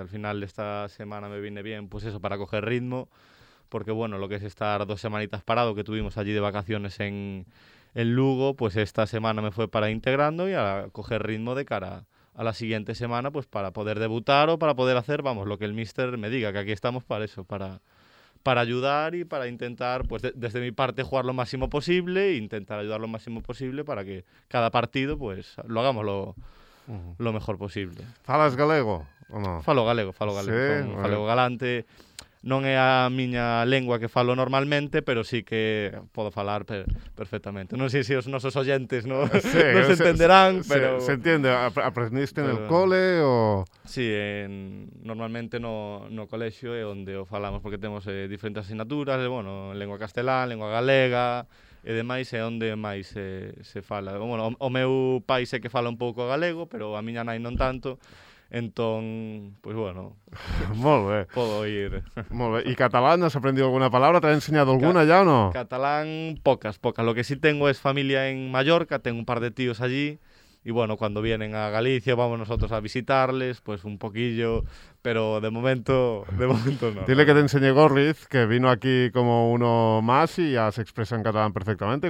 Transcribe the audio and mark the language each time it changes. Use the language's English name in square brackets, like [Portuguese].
[Spanish] Al final de esta semana me viene bien, pues eso, para coger ritmo, porque bueno, lo que es estar dos semanitas parado, que tuvimos allí de vacaciones en Lugo, pues esta semana me fue para integrando y a coger ritmo de cara a la siguiente semana, pues para poder debutar o para poder hacer, vamos, lo que el míster me diga, que aquí estamos para eso, para ayudar y para intentar, pues desde mi parte, jugar lo máximo posible e intentar ayudar lo máximo posible para que cada partido, pues, lo hagamos lo mejor posible. [Galician] ¿Falas galego o no? Falo galego. Sí, falo galante. Non é a miña lengua que falo normalmente, pero sí que podo falar perfectamente. Non sei se os nosos oyentes nos entenderán, pero... [Spanish] Se entiende. Aprendiste no cole o...? [Galician] Sí, normalmente no colexio é onde o falamos, porque temos diferentes asignaturas, bueno, lengua castelán, lengua galega, e demais, é onde máis se fala. Bueno, o meu pai sé que fala un pouco galego, pero a miña nai non tanto. Entón, pues bueno, [Catalan] molt bé. [Spanish] Puedo ir. [Catalan] Molt bé. I català, [Spanish] has aprendido alguna palabra? [Catalan] T'has ensenyat alguna ja o no? [Spanish] Catalán, pocas. Lo que sí tengo es familia en Mallorca, tengo un par de tíos allí, y bueno, cuando vienen a Galicia, vamos nosotros a visitarles, pues un poquillo, pero de momento no. Dile que te enseñe Gorriz, que vino aquí como uno más y ya se expresa en catalán perfectamente.